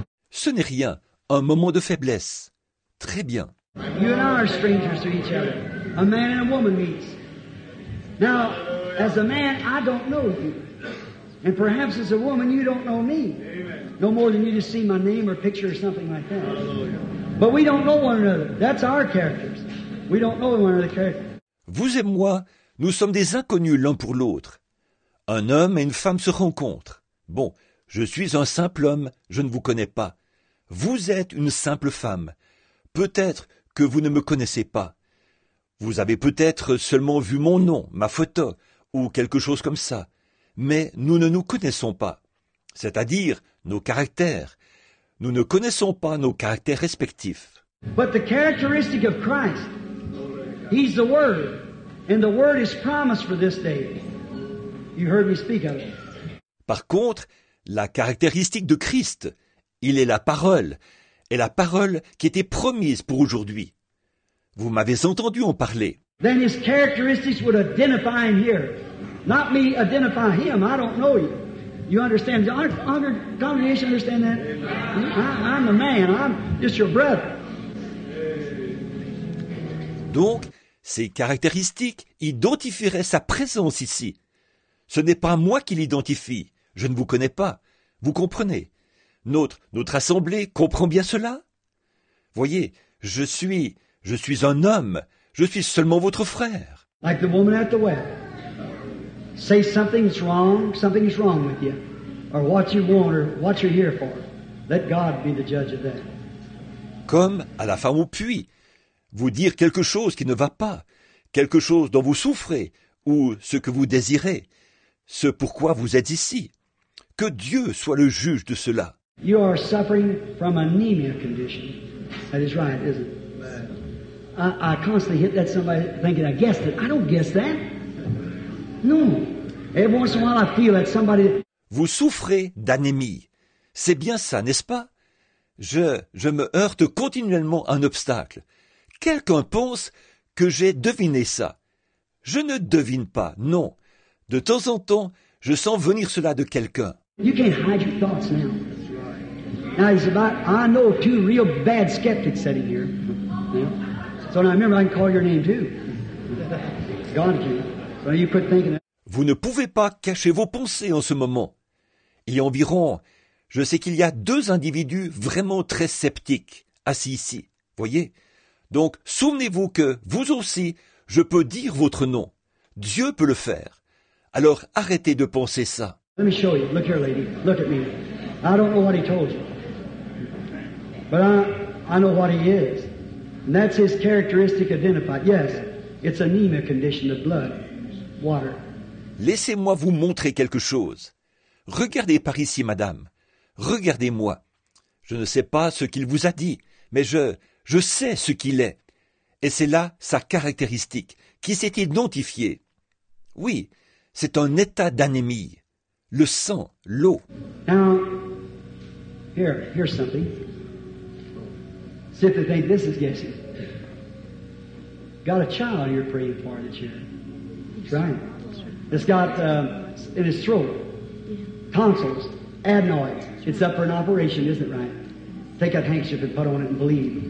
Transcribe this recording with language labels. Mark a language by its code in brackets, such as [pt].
[fr] Ce n'est rien, un moment de faiblesse. Très bien. [en] You and I are strangers to each other. A man and a woman meets. Now, as a man, I don't know you. And perhaps as a woman, you don't know me. Amen. No more than you just see my name or picture or something like that. Hallelujah. But we don't know one another. That's our characters. We don't know one another's characters. [fr] Vous et moi, nous sommes des inconnus l'un pour l'autre. Un homme et une femme se rencontrent. Bon, je suis un simple homme, je ne vous connais pas. Vous êtes une simple femme. Peut-être que vous ne me connaissez pas. Vous avez peut-être seulement vu mon nom, ma photo, ou quelque chose comme ça. Mais nous ne nous connaissons pas, c'est-à-dire nos caractères. Nous ne connaissons pas nos caractères respectifs. [en] But the characteristic of Christ, he's the Word, and the Word is promised for this day. You heard me speak of it. [fr] Par contre, la caractéristique de Christ, il est la parole, et la parole qui était promise pour aujourd'hui. Vous m'avez entendu en parler. [en] then his characteristics would identify him here. Not me identify him. I don't know you. You understand? Our congregation understand that? I'm the man. I'm just your brother. [fr] Donc, ses caractéristiques identifieraient sa présence ici. Ce n'est pas moi qui l'identifie. Je ne vous connais pas. Vous comprenez? Notre assemblée comprend bien cela? Voyez, je suis un homme. Je suis seulement votre frère. [en] Like the woman at the well. Say something's wrong with you. Or what you want, or what you're here for. Let God be the judge of that. [fr] Comme à la femme au puits. Vous dire quelque chose qui ne va pas, quelque chose dont vous souffrez, ou ce que vous désirez, ce pourquoi vous êtes ici. Que Dieu soit le juge de cela. [en] You are suffering from anemia condition. That is right, isn't it? I constantly hit that somebody thinking, I guessed it. I don't guess that. No. Every once in a while I feel that somebody... [fr] Vous souffrez d'anémie. C'est bien ça, n'est-ce pas? Je me heurte continuellement à un obstacle. Quelqu'un pense que j'ai deviné ça. Je ne devine pas, non. De temps en temps, je sens venir cela de quelqu'un. [en] You can't hide your thoughts now. Now it's about, I know two real bad skeptics sitting here. So now remember, I can call your name too. God can. So you quit thinking. [fr] Vous ne pouvez pas cacher vos pensées en ce moment. Et environ, je sais qu'il y a deux individus vraiment très sceptiques assis ici. Voyez. Donc, souvenez-vous que, vous aussi, je peux dire votre nom. Dieu peut le faire. Alors, arrêtez de penser ça. [en] Let me show you. Look here, lady. Look at me. I don't know what he told you. But I know what he is. And that's his characteristic identified. Yes, it's anemia condition of blood, water. [fr] Laissez-moi vous montrer quelque chose. Regardez par ici, madame. Regardez-moi. Je ne sais pas ce qu'il vous a dit, mais je sais ce qu'il est, et c'est là sa caractéristique, qui s'est identifiée. Oui, c'est un état d'anémie, le sang, l'eau. [en] Now, here's something. See if they think this is guessing. Got a child you're praying for that you're trying. It's got, in his throat, tonsils, adenoids. It's up for an operation, isn't it right? Take that handkerchief and put on it and believe.